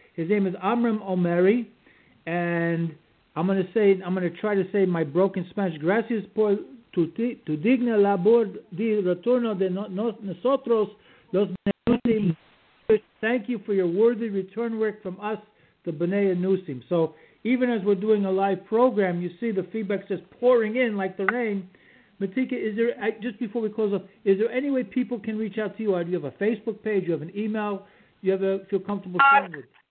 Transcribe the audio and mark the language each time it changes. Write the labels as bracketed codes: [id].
[en] His name is Amram Omeri, and I'm going to try to say my broken Spanish. [es] Gracias por tu digna labor de retorno de nosotros los Anusim. [en] Thank you for your worthy return work from us, the B'nai Anusim. So even as we're doing a live program, you see the feedback's just pouring in like the rain. Matika, is there, just before we close up, is there any way people can reach out to you? Do you have a Facebook page? Do you have an email? Do you have a feel comfortable sharing with?